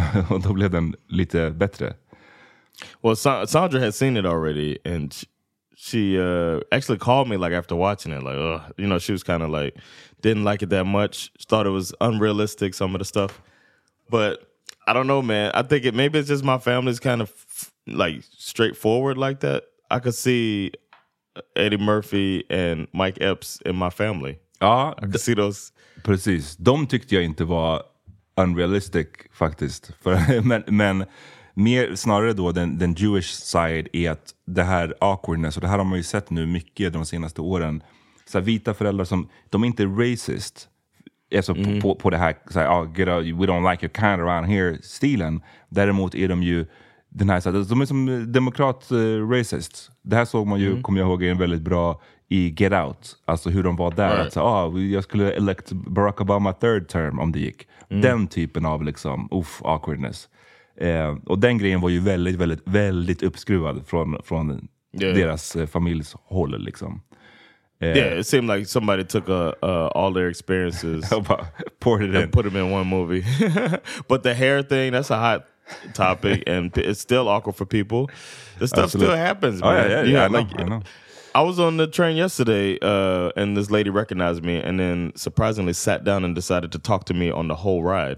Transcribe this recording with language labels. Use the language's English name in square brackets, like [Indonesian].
[Swedish] Och då blev den lite bättre. [English] Well, Sandra had seen it already and she actually called me like after watching it, like, ugh. You know, she was kind of like, didn't like it that much, thought it was unrealistic, some of the stuff. But I don't know, man, I think it maybe it's just my family's kind of like straightforward like that. I could see Eddie Murphy and Mike Epps in my family. I could see those. [Swedish] Precis, de tyckte jag inte var unrealistic faktiskt. men mer snarare då den [English] Jewish side [Swedish] är att det här awkwardness, och det här har man ju sett nu mycket de senaste åren, så här, vita föräldrar som, de är inte racist, alltså på det här, så här, [English] get out, we don't like your kind around here [Swedish] stilen, däremot är de ju den här, så här, de är som demokrat racist, det här såg man ju kommer jag ihåg är en väldigt bra i Get Out, alltså hur de var där, right. Att så, jag skulle [English] elect Barack Obama third term [Swedish] om det gick, den typen av liksom, awkwardness. Och den grejen var ju väldigt, väldigt, väldigt uppskruvad från deras familjs håll, liksom. [English] Yeah, it seemed like somebody took all their experiences and put them in one movie. But the hair thing, that's a hot topic, and it's still awkward for people. This stuff still happens, man. Yeah, I know. I was on the train yesterday, and this lady recognized me, and then surprisingly sat down and decided to talk to me on the whole ride.